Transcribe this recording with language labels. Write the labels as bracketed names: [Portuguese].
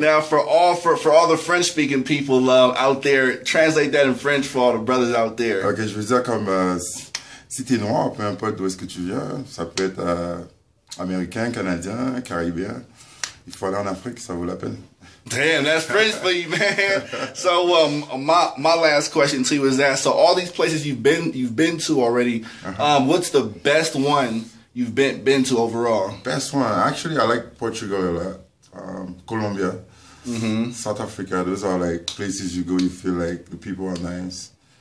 [English] Now for all the French speaking people out there, translate that in French for all the brothers out there. [French] Okay, je veux dire comme si t'es noir, peu importe d'où est-ce que tu viens, ça peut être américain, canadien, caribéen. Il faut aller en Afrique, ça vaut la peine. [English] Damn, that's French for you, man. So my last question to you is that, so all these places you've been to already, what's the best one you've been to overall? Best one? Actually, I like Portugal a lot. Colombia, South Africa, those are like places you go, you feel like the people are nice.